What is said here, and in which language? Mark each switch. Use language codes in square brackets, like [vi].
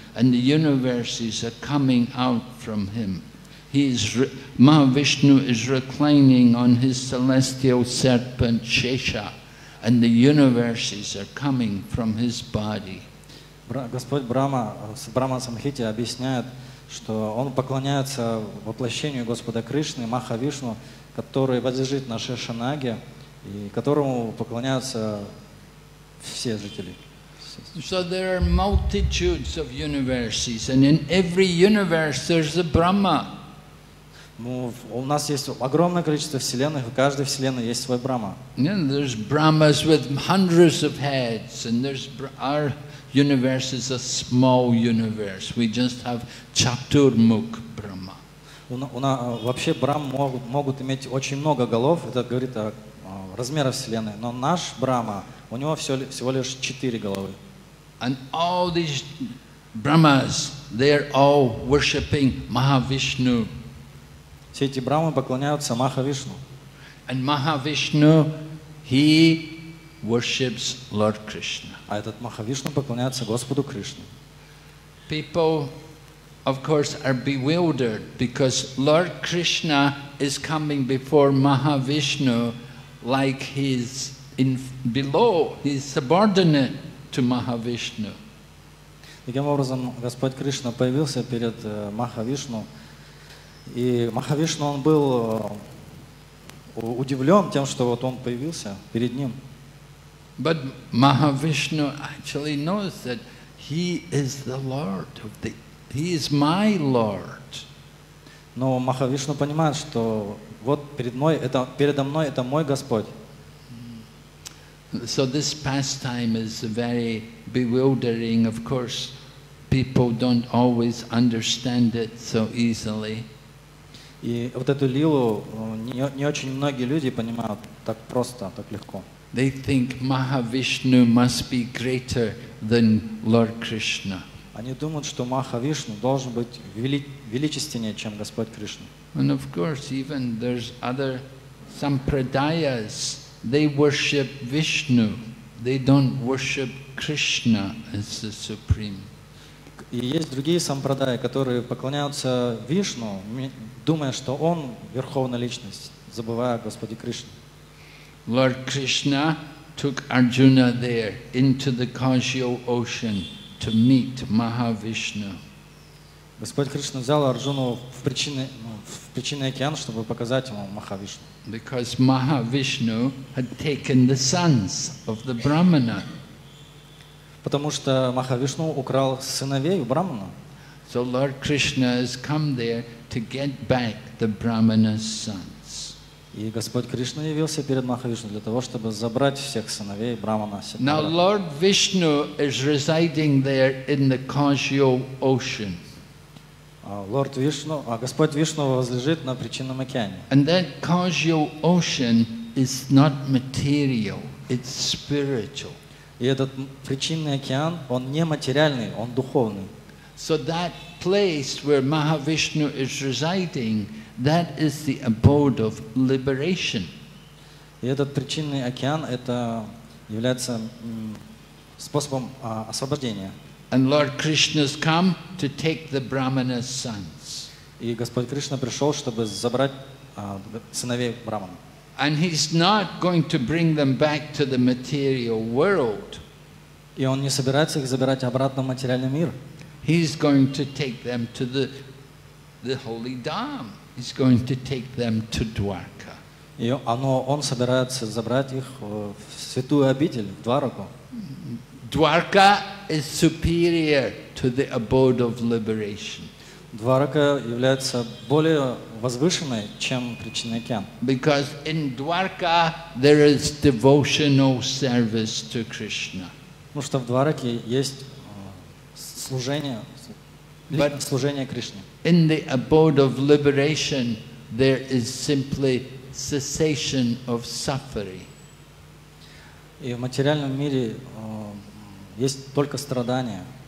[en] And the universes are coming out from him. Mahavishnu is reclining on his celestial serpent Shesha, and the universes are coming from his body. [ru] Господь Брама в Брама-самхите объясняет, что он поклоняется воплощению Господа Кришны, Махавишну, который возлежит на Шешанаге, и которому поклоняются все жители. [en] So there are multitudes of universes, and in every universe there's a Brahma. [ru] У нас есть огромное количество вселенных, и в каждой вселенной есть свой Брахма. [en] Yeah, there's Brahmas with hundreds of heads, and there's our universe is a small universe. We just have Chaturmukh Brahma. [ru] Вообще Брахм могут иметь очень много голов. Это говорит о размерах вселенной. Но наш Брахма, у него всего лишь четыре головы. [en] And all these Brahmas, they are all worshipping Mahavishnu. [ru] Все эти брамы поклоняются Махавишну. [en] And Mahavishnu, he worships Lord Krishna. [ru] А этот Махавишну поклоняется Господу Кришне. [en] People, of course, are bewildered because Lord Krishna is coming before Mahavishnu like he's below, he's subordinate to Mahavishnu. [ru] Таким образом, Господь Кришна появился перед Махавишну, и Махавишну он был удивлен тем, что вот он появился перед ним. [en] But Mahavishnu actually knows that he is the Lord of the, he is my Lord. [ru] Но Махавишну понимает, что вот передо мной это мой Господь. [en] So this pastime is very bewildering. Of course, people don't always understand it so easily. [ru] И вот эту лилу не очень многие люди понимают так просто, так легко. [en] They think Mahavishnu must be greater than Lord Krishna. [ru] Они думают, что Махавишну должен быть величественнее, чем Господь Кришна. [en] And of course, even there's other sampradayas. They worship Vishnu. They don't worship Krishna as the supreme. [ru] И есть другие сампрадаи, которые поклоняются Вишну, думая, что он верховная личность, забывая о Господе Кришне. [en] Lord Krishna took Arjuna there into the causal ocean to meet Mahavishnu. [ru] Господь Кришна взял Арджуну в причинный океан, чтобы показать ему Махавишну. [en] Because Mahavishnu had taken the sons of the Brahmana. [ru] Потому что Махавишну украл сыновей у Брахмана. [en] So Lord Krishna has come there to get back the Brahmana's sons. [ru] И Господь Кришна явился перед Махавишну для того, чтобы забрать всех сыновей Брахмана. [en] Now Lord Vishnu is residing there in the causal ocean. [ru] Лорд Вишну, а Господь Вишну возлежит на причинном океане. [en] And that causal ocean is not material, it's spiritual. [ru] И этот причинный океан, он не материальный, он духовный. [en] So that place where Mahavishnu is residing, that is the abode of liberation. [ru] И этот причинный океан, это является способом освобождения. [en] And Lord Krishna's come to take the Brahmana's sons. [ru] И Господь Кришна пришел, чтобы забрать сыновей Брахмана. [en] And he's not going to bring them back to the material world. [ru] И он не собирается их забирать обратно в материальный мир. [en] He's going to take them to the holy dham. He's going to take them to Dwarka. [ru] И он собирается забрать их в святую обитель, в Двараку. [en] Dwarka is superior to the abode of liberation. [ru] Dwarka является более возвышенной, чем причинный океан. [en] Because in Dwarka there is devotional service to Krishna. [ru] Потому что в Двараке есть служение Кришне. [en] In the abode of liberation there is simply cessation of suffering. [ru] И в материальном мире есть только страдания.